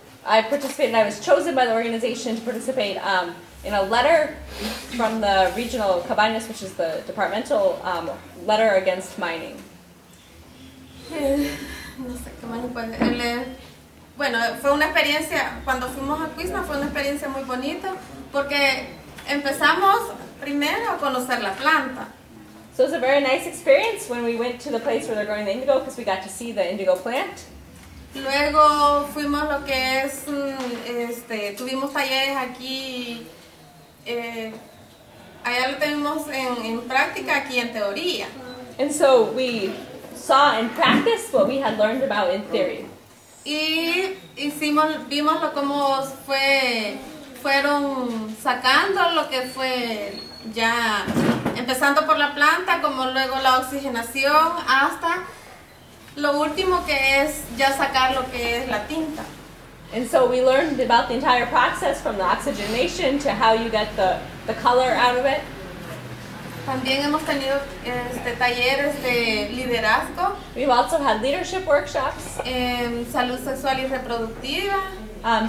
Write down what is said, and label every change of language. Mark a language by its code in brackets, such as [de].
[en] I participated, and I was chosen by the organization to participate in a letter from the regional Cabañas, which is the departmental letter against mining. [es] No sé qué más puede. Bueno, fue una experiencia, cuando fuimos a Cuisma fue una experiencia muy bonita porque empezamos primero a conocer la planta. [en] So it was a very nice experience when we went to the place where they're growing the indigo because we got to see the indigo plant. [es] Luego fuimos lo que es, tuvimos talleres aquí, allá lo tenemos en práctica, aquí en teoría. [en] And so we saw in practice what we had learned about in theory. [es] Y hicimos, vimos lo como fue, fueron sacando lo que fue ya, empezando por la planta, como luego la oxigenación, hasta lo último que es ya sacar lo que es la tinta. [en] And so we learned about the entire process from the oxygenation to how you get the color out of it. [es] También hemos tenido talleres de liderazgo. [en] We've also had leadership workshops. [es] Salud sexual y reproductiva.